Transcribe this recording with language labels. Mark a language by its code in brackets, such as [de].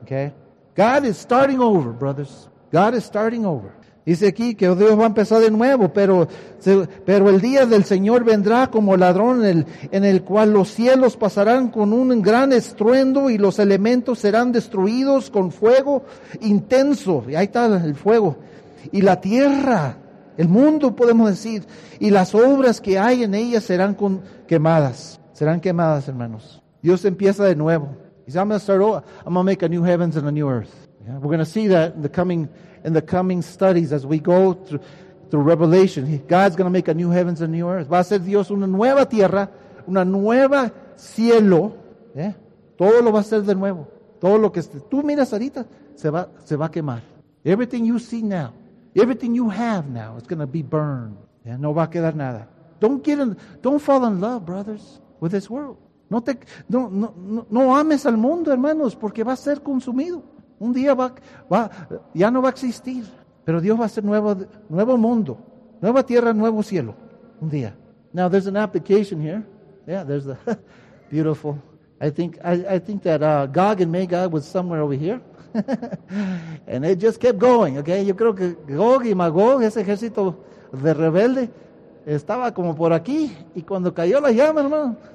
[en] Okay? God is starting over, brothers. God is starting over. [es] Dice aquí que Dios va a empezar de nuevo, pero el día del Señor vendrá como ladrón, en el cual los cielos pasarán con un gran estruendo y los elementos serán destruidos con fuego intenso. Y ahí está el fuego. Y la tierra, el mundo podemos decir, y las obras que hay en ella serán quemadas. Serán quemadas, hermanos. Dios empieza de nuevo. [en] He says, I'm going to make a new heavens and a new earth. Yeah. We're going to see that in the coming studies as we go through Revelation. God's going to make a new heavens and a new earth. [es] Va a ser Dios una nueva tierra, una nueva cielo. Yeah. Todo lo va a ser de nuevo. Todo lo que tú miras ahorita se va a quemar. [en] Everything you see now, everything you have now, it's going to be burned. [es] Yeah. No va a quedar nada. [en] Don't fall in love, brothers, with this world. [es] No ames al mundo, hermanos, porque va a ser consumido. Un día ya no va a existir. Pero Dios va a hacer nuevo mundo, nueva tierra, nuevo cielo. Un día. [en] Now there's an application here. Yeah, there's the beautiful. I think that Gog and Magog was somewhere over here, and it just kept going. Okay, [es] yo creo que Gog y Magog, ese ejército de rebelde, estaba como por aquí y cuando cayó la llama, hermano.